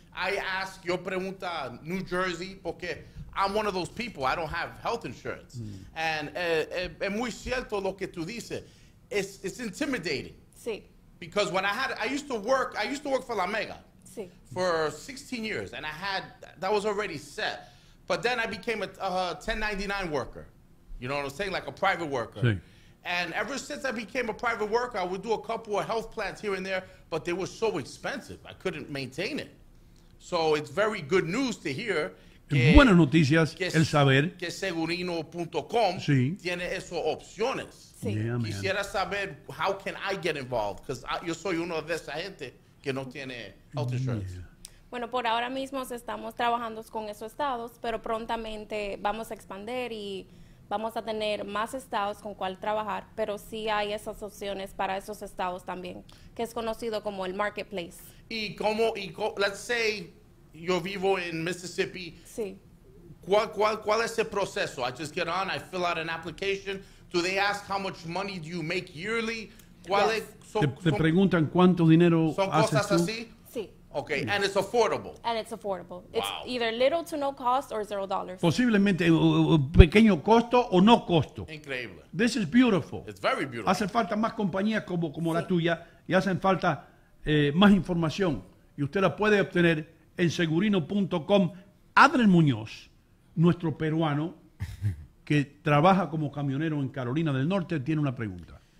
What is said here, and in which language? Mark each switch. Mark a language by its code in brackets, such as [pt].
[en] I ask, [es] yo pregunta New Jersey, [en] porque I'm one of those people, I don't have health insurance. Mm. [es] And es muy cierto lo que tú dices. [en] It's intimidating. [es] Sí. [en] Because when I used to work for La Mega. [es] Sí. [en] For 16 years, and that was already set. But then I became a 1099 worker. You know what I'm saying? Like a private worker. [es] Sí. [en] And ever since I became a private worker, I would do a couple of health plans here and there, but they were so expensive, I couldn't maintain it. So it's very good news to hear. [es] Buenas noticias, el saber. Que segurino.com sí. Tiene esas opciones. Sí. [en] Yeah, [es] quisiera saber, [en] how can I get involved? [es] Because yo soy uno de esa gente que no tiene [en] health insurance. Yeah. [es] Bueno, por ahora mismo estamos trabajando con esos estados, pero prontamente vamos a expandir y vamos a tener más estados con cual trabajar, pero sí hay esas opciones para esos estados también, que es conocido como el marketplace. [en] Let's say [es] yo vivo en Mississippi. Sí. ¿Cuál es el proceso? [en] I just get on, I fill out an application. Do they ask how much money do you make yearly? [es] Te preguntan cuánto dinero haces tú. ¿Son cosas así? Sí. [en] Okay, yes. And it's affordable. Wow. It's either little to no cost or $0. [es] Posiblemente pequeño costo o no costo. Increíble. [en] This is beautiful. It's very beautiful. [es] Hace falta más compañías como sí. La tuya y hacen falta más información. Y usted la puede obtener en segurino.com. Adrián Muñoz, nuestro peruano, que trabaja como camionero en Carolina del Norte, tiene una pregunta.